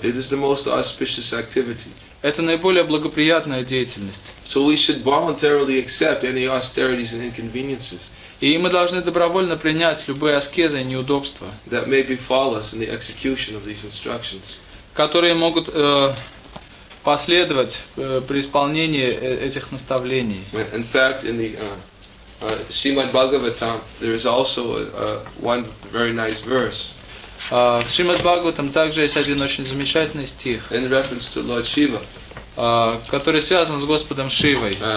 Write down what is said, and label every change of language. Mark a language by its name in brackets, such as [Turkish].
[English] It is the most auspicious activity. [Russian] Это наиболее благоприятная деятельность. [English] So we should voluntarily accept any austerities and inconveniences. [Russian] И мы должны добровольно принять любые аскезы и неудобства, [English] that may befall us in the execution of these instructions. [Russian] Которые могут последовать при исполнении этих наставлений. [English] In fact, in the Srimad Bhagavatam, there is also one very nice verse. [Russian] В Srimad Bhagavatam также есть один очень замечательный стих. [English] In reference to Lord Shiva. [Russian] Который связан с Господом Шивой.